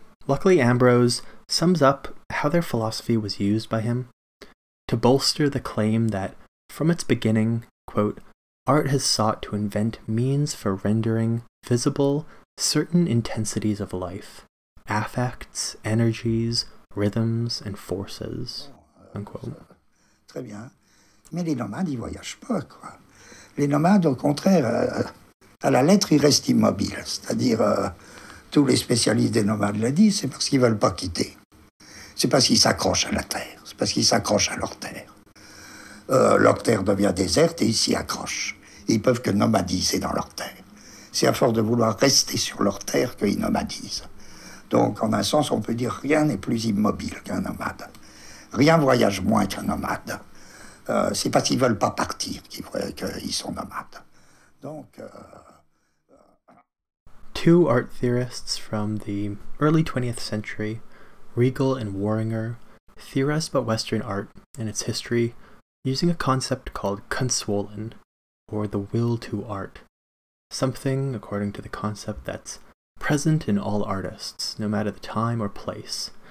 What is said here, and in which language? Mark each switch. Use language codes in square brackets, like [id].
[en] Luckily, Ambrose sums up how their philosophy was used by him to bolster the claim that from its beginning, quote, art has sought to invent means for rendering visible certain intensities of life, affects, energies, rhythms, and forces, unquote. [fr] Très bien. Mais les nomades, ils voyagent pas, quoi. Les nomades, au contraire, à la lettre, ils restent immobiles. C'est-à-dire, tous les spécialistes des nomades l'ont dit, c'est parce qu'ils veulent pas quitter. C'est parce qu'ils s'accrochent à la terre. C'est parce qu'ils s'accrochent à leur terre. Leur terre devient déserte et ils s'y accrochent. Ils peuvent que nomadiser dans leur terre. C'est à force de vouloir rester sur leur terre qu'ils nomadisent. Donc, en un sens, on peut dire rien n'est plus immobile qu'un nomade. Rien voyage moins qu'un nomade. C'est parce qu'ils ne veulent pas partir qu'ils sont nomades. Donc, [en] Two art theorists from the early 20th century, Riegel and Waringer, theorized about Western art and its history using a concept called Kunstwollen, or the will to art. Something, according to the concept, that's present in all artists, no matter the time or place.